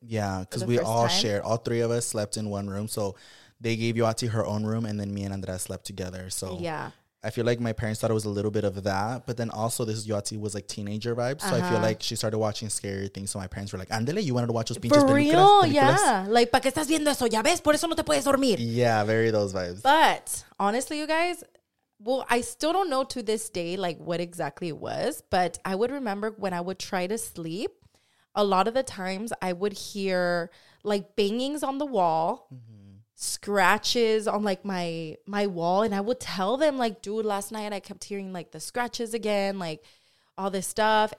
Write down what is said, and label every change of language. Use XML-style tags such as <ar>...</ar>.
<en>Yeah, because we all shared. All three of us slept in one room. So they gave Yuatsi her own room, and then me and Andrea slept together. So yeah, I feel like my parents thought it was a little bit of that. But then also, this Yuatsi was like teenager vibes. So uh-huh. I feel like she started watching scary things. So my parents were like, Andele, you wanted to watch those pinches for real?</en> <es>Películas?</es> <en>Yeah.</en> <es>Like, ¿para qué estás viendo eso? ¿Ya ves? Por eso no te puedes dormir.</es> <en>Yeah, very those vibes. But honestly, you guys, well, I still don't know to this day, like, what exactly it was. But I would remember when I would try to sleep, a lot of the times I would hear, like, bangings on the wall. Mm-hmm. scratches on like my wall, and I would tell them like, dude, last night I kept hearing like the scratches again, like all this stuff.</en>